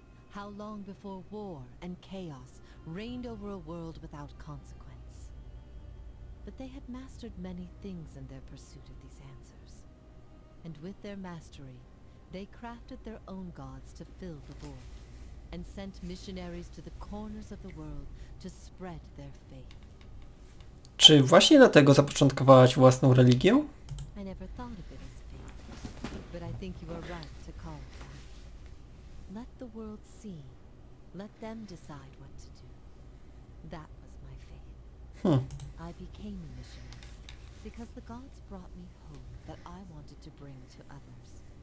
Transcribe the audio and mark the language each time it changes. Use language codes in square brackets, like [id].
[en] How long before war and chaos reigned over a world without consequence? But they had mastered many things in their pursuit of these answers. And with their mastery, they crafted their own gods to fill the void, and sent missionaries to the corners of the world to spread their faith. [pl] Czy właśnie dlatego zapoczątkowałaś własną religię? [en] I never thought of it as faith, but I think you are right to call it. Let the world see. Let them decide what to do. That was my faith. I became a missionary because the gods brought me hope that I wanted to bring to others.